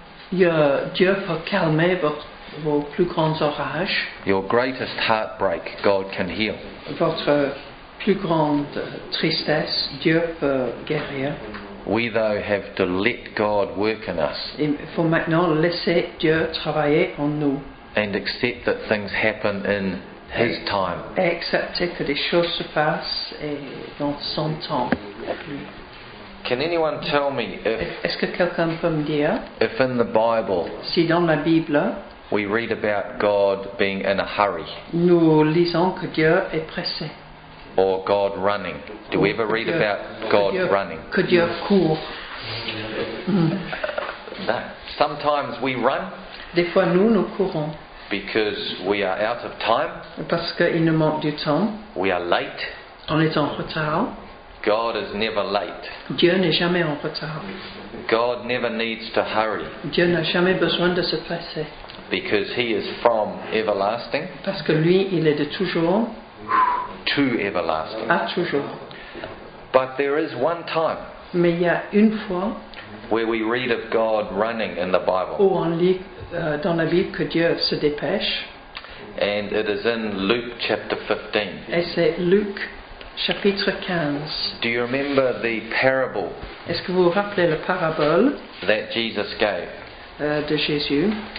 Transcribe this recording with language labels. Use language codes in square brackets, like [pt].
[fr] Dieu peut calmer vos plus grands orages. [en] Your greatest heartbreak, God can heal. [fr] Votre plus grande tristesse, Dieu peut guérir. [en] We though have to let God work in us. [fr] Il faut maintenant laisser Dieu travailler en nous. [en] And accept that things happen in His time. [fr] Et accepter que des choses se passent et dans son temps. [en] Can anyone tell me if, [fr] est-ce que quelqu'un peut me dire, [en] if in the Bible, [fr] si dans la Bible, [en] we read about God being in a hurry, [fr] nous lisons que Dieu est pressé, [en] or God running? Do we ever read [fr] Dieu, [en] about God [fr] que Dieu, [en] running? [fr] Que Dieu court. [en] Sometimes we run. [fr] Des fois nous nous courons. [en] Because we are out of time. [fr] Parce qu'il nous manque du temps. [en] We are late. [fr] On est en retard. [en] God is never late. [fr] Dieu n'est jamais en retard. [en] God never needs to hurry. [fr] Dieu n'a jamais besoin de se presser. [en] Because He is from everlasting. [fr] Parce que lui, il est de toujours. [en] To everlasting. [fr] À toujours. [en] But there is one time. [fr] Mais il y a une fois. [en] Where we read of God running in the Bible. [fr] Où on lit dans la Bible que Dieu se dépêche. [en] And it is in Luke chapter 15. [fr] Et c'est Luke. Chapitre 15. [en] Do you remember the parable? [fr] Est-ce que vous vous rappelez la parabole? [en] That Jesus gave. [fr] De Jésus.